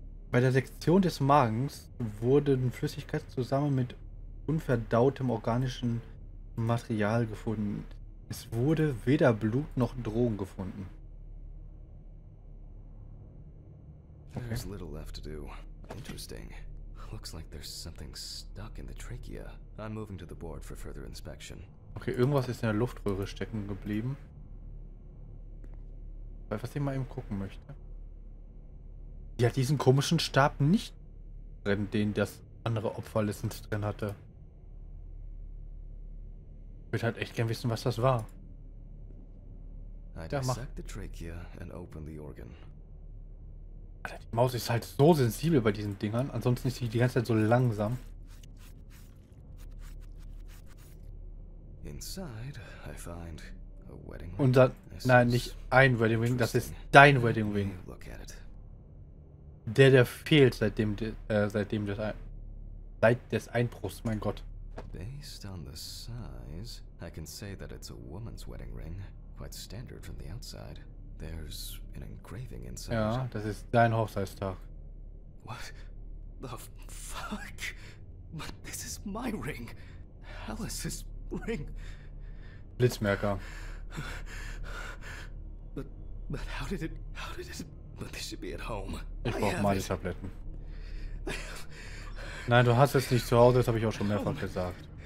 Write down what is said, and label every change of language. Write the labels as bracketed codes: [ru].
[de] Bei der Sektion des Magens wurden Flüssigkeit zusammen mit unverdautem organischem Material gefunden. Es wurde weder Blut noch Drogen gefunden. Okay. [en] There's little left to do. Interesting. Looks like there's something stuck in the trachea. I'm moving to the board for further inspection. [de] Okay, irgendwas ist in der Luftröhre stecken geblieben. Weil was ich mal eben gucken möchte. Die hat diesen komischen Stab nicht drin, den das andere Opfer letztens drin hatte. Ich würde halt echt gern wissen, was das war. Ja, mach. [en] The trachea and open the organ. [de] Alter, die Maus ist halt so sensibel bei diesen Dingern. Ansonsten ist sie die ganze Zeit so langsam. [en] Inside, I find a wedding [de] ring. Und dann, nein, nicht ein Wedding Ring, das ist dein Wedding Ring. Der fehlt seit des Einbruchs, mein Gott. [en] Based on the size, I can say that it's a woman's wedding ring, quite standard from the outside. There's an engraving inside. [de] Ja, das ist dein Hochzeitstag. [en] What the fuck? But this is my ring. Alice's ring. [de] Blitzmerker. [en] But how did it But they should be at home. [de] Ich brauche meine Tabletten. Nein, du hast es nicht zu Hause, das habe ich auch schon mehrfach gesagt.